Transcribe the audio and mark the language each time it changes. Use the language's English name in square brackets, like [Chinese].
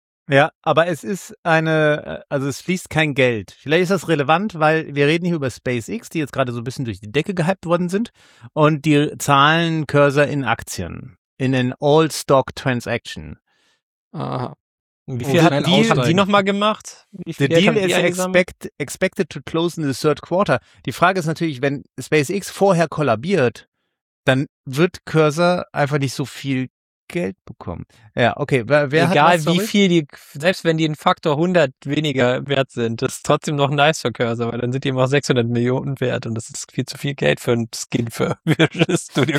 [German] Ja, aber es ist eine, also es fließt kein Geld. Vielleicht ist das relevant, weil wir reden hier über SpaceX, die jetzt gerade so ein bisschen durch die Decke gehypt worden sind. Und die zahlen Cursor in Aktien, in den All-Stock-Transaction. Aha. Wie viel hat die, haben die nochmal gemacht? [English] The deal is expected to close in the third quarter. [German] Die Frage ist natürlich, wenn SpaceX vorher kollabiert, dann wird Cursor einfach nicht so viel Geld bekommen. Ja, okay. Wer egal hat wie viel die, selbst wenn die einen Faktor 100 weniger wert sind, das ist trotzdem noch nice für Cursor, weil dann sind die immer 600 Millionen wert und das ist viel zu viel Geld für einen Skin für das Studio.